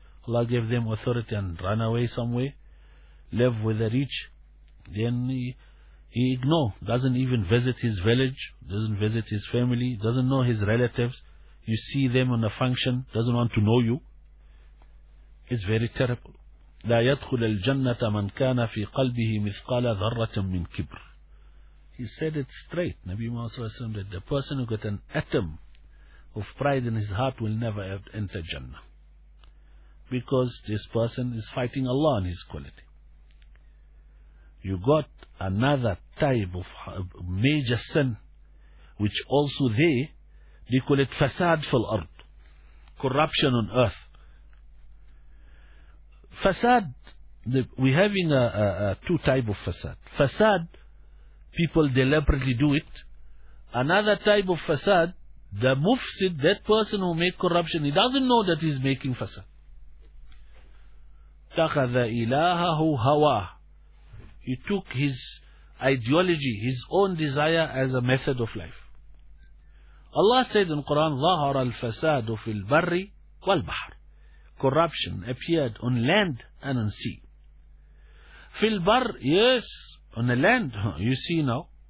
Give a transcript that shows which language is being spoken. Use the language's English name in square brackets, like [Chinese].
[English] Allah gave them authority and ran away somewhere, live with the rich. Then he ignore, doesn't even visit his village, doesn't visit his family, doesn't know his relatives. You see them on a function, doesn't want to know you. It's very terrible. [Arabic] لا يدخل الجنة من كان في قلبه مثقال ذرة من كبر. [English] He said it straight. Nabi Muhammad Sallallahu Alaihi Wasallam, that the person who got an atom of pride in his heart will never enter Jannah. Because this person is fighting Allah on his quality. You got another type of major sin, which also they call it fasad fil ard, corruption on earth. Fasad, we're having a two type of fasad. Fasad, people deliberately do it. Another type of fasad, the mufsid, that person who make corruption, he doesn't know that he's making fasad. [Arabic] تَخَذَ إِلَاهَهُ هَوَى. [English] He took his ideology, his own desire as a method of life. Allah said in Quran, [Arabic] ظَهَرَ الْفَسَادُ فِي الْبَرِّ وَالْبَحْرِ. [English] corruption appeared on land and on sea. Fil bar, yes, on the land, you see now.